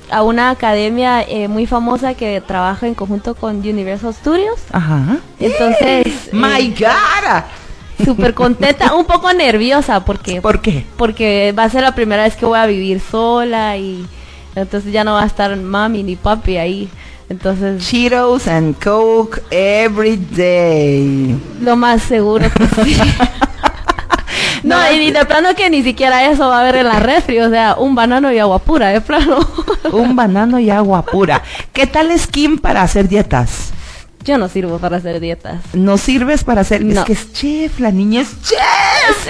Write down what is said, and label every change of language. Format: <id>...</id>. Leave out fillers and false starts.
<es>A una academia muy famosa que trabaja en conjunto con Universal Studios. Ajá. Entonces.</es> <en>¡My God!</en> <es>Súper contenta, un poco nerviosa porque. ¿Por qué? Porque va a ser la primera vez que voy a vivir sola y entonces ya no va a estar mami ni papi ahí. Entonces,</es> <en>Cheetos and Coke every day.</en> <es>Lo más seguro que sí. No, no, y de plano que ni siquiera eso va a haber en la refri. O sea, un banano y agua pura, de plano. Un banano y agua pura. ¿Qué tal es Kim para hacer dietas? Yo no sirvo para hacer dietas. ¿No sirves para hacer? No. Es que es chef, la niña es chef.</es>